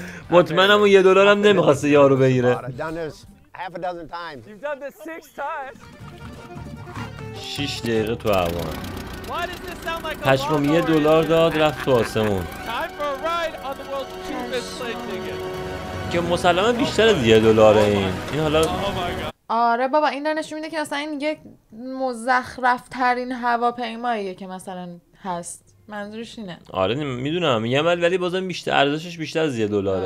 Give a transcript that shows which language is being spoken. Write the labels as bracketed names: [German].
[Persian] مطمئنم یه دلار هم نمیخواسته یارو بگیره. [English] Half a dozen times. You've done this six times. [Persian] 6 دقیقه تو هوا. [English] Why does this sound like a [Persian] پشمام یه دلار داد رفت تو آسمون. [English] Time for a ride on the world's cheapest plane ticket. [Persian] که مسلمه بیشتر از یه دلاره این. این حالا آره بابا این داره نشون میده که مثلا این یک مزخرف ترین هواپیماییه که مثلا هست. منظورش اینه. آره میدونم. یه مال ولی بازم بیشتر ارزشش بیشتر از یه دلاره.